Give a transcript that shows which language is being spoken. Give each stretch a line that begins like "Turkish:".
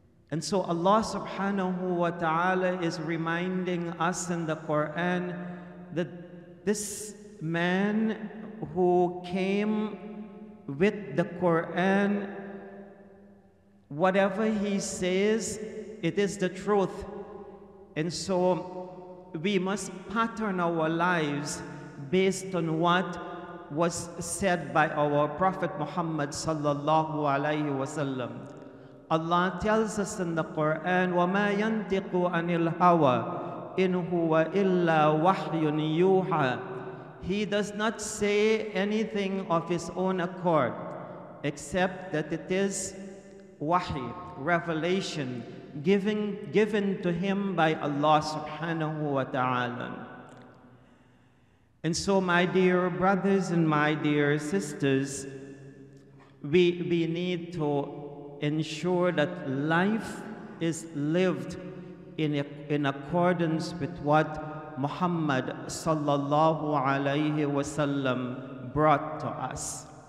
English: And so Allah subhanahu wa ta'ala is reminding us in the Quran that this man who came with the Quran, whatever he says, it is the truth. And so we must pattern our lives based on what was said by our Prophet Muhammad sallallahu alaihi wasallam. Allah tells us in the Quran,
Arabic: وَمَا يَنْتِقُ عَنِ الْهَوَى إِنْ هُوَ إِلَّا وَحْيٌ يُوحَى.
English: He does not say anything of his own accord, except that it is wahy, revelation, given to him by Allah subhanahu wa ta'ala. And so my dear brothers and my dear sisters, we need to ensure that life is lived in accordance with what Muhammad sallallahu alayhi wasallam brought to us.